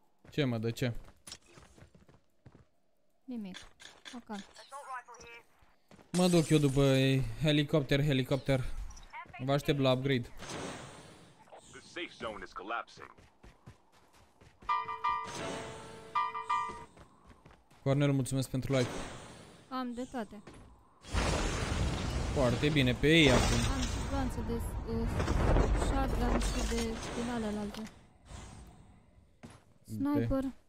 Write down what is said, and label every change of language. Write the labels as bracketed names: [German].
[Romanian] Ce, mă, de ce? Nimic. Ok. Mă duc eu după helicopter. Vă aștept la upgrade. [English] The safe zone is collapsing. [Romanian] Cornel, mulțumesc pentru like. Am de toate. Foarte bine, pe ei acum. Am și gloanță de shotgun și de finale alaltă. Sniper.